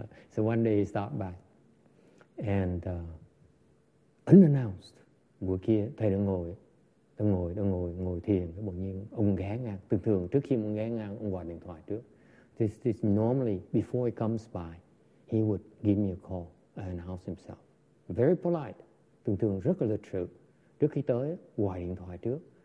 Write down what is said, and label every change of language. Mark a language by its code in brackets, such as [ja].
[en] So one day he stopped by. And unannounced, [vi] buổi kia thầy đang ngồi. Ngồi thiền, bỗng nhiên ông ghé ngang. Thường thường trước khi ông ghé ngang, ông gọi điện thoại trước. [en] This normally, before he comes by, he would give me a call and announce himself. Very polite. [vi] Thường thường rất là lịch sự. Trước khi tới, gọi điện thoại trước.